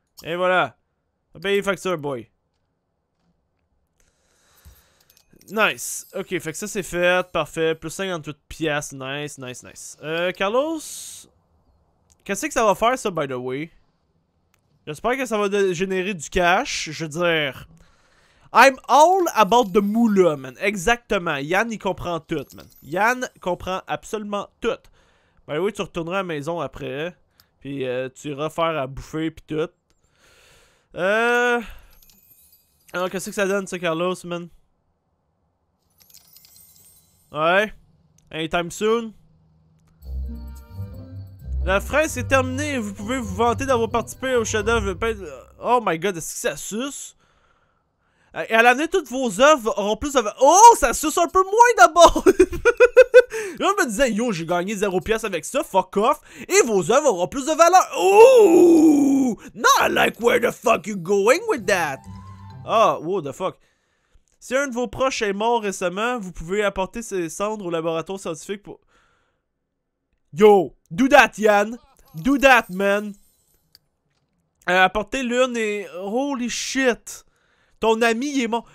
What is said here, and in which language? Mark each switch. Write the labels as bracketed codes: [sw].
[fr] Et voilà. Va payer les factures, boy. Nice. Ok, fait que ça c'est fait. Parfait. Plus 58 pièces. Nice, nice, nice. Carlos? Qu'est-ce que ça va faire ça, [en] by the way? [fr] J'espère que ça va générer du cash. Je veux dire... [en] I'm all about the moula, man. [fr] Exactement. Yann, il comprend tout, man. Yann comprend absolument tout. [en] By the way, [fr] tu retourneras à la maison après. Puis tu iras faire à bouffer puis tout. Alors, qu'est-ce que ça donne ça, Carlos, man? [en] Ouais. Anytime soon. [fr] La fraise est terminée. Vous pouvez vous vanter d'avoir participé au chef-d'œuvre. Oh my god, est-ce que ça suce? Et à l'année, toutes vos œuvres auront plus de... Oh, ça suce un peu moins d'abord. Là, on me disait, [en] yo, [fr] j'ai gagné 0 pièce avec ça, [en] fuck off. [fr] Et vos œuvres auront plus de valeur. [en] Ooh, not like where the fuck you going with that. Oh, what the fuck. [fr] Si un de vos proches est mort récemment, vous pouvez apporter ses cendres au laboratoire scientifique pour... [en] Yo, do that, Yann. Do that, man. [fr] Apporter l'urne et... [en] Holy shit. [fr] Ton ami est mort.